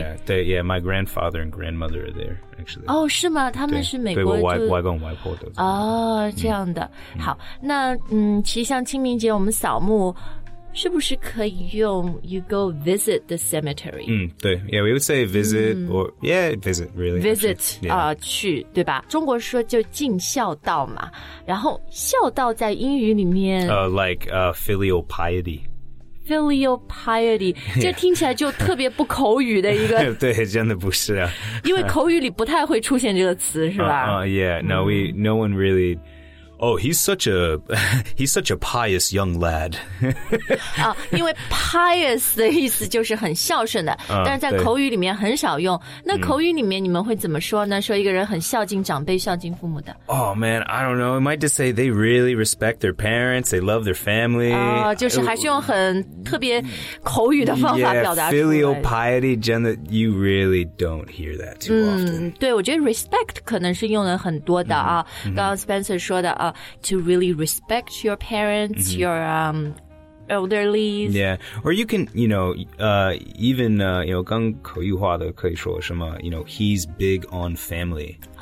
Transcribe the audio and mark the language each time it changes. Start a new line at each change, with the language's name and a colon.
English: Yeah, yeah, 对 yeah, my grandfather and grandmother are there, actually.
Chinese: 哦、oh, ，是吗？他们是美国的。对，外公外婆都在。这样的。好，那其实像清明节我们扫墓，是不是可以用
English: you go visit the cemetery? 对 ,yeah, we would say visit, or, yeah, visit, really. Visit, yeah.
Chinese: 去对吧，中国说就尽孝道嘛，然后孝道在英语里面。
English: Filial piety.
Chinese: Filial piety, 这听起来就特别不口语的一个。对，真的不是啊。因为口语里不太会出现这个词，是吧？
English: No one really... Oh, he's such a pious young lad.
Chinese: 因为 pious 的意思就是很孝顺的，但是在口语里面很少用。那口语里面你们会怎么说呢？说一个人很孝敬长辈、孝敬父母的。
English: Oh man, I don't know. I might just say they really respect their parents. They love their family.
Chinese: 就是还是用很特别口语的方法表达出来。
English: Filial piety, 真的 you really don't hear that too often.
Chinese: 对，我觉得 respect 可能是用了很多的啊。刚刚 Spencer 说的。
English: To really respect your parents, your elderly. Yeah, or you can, you know, even, you know,
Chinese: 更口语化的可以说什么,
English: you know, he's big on family.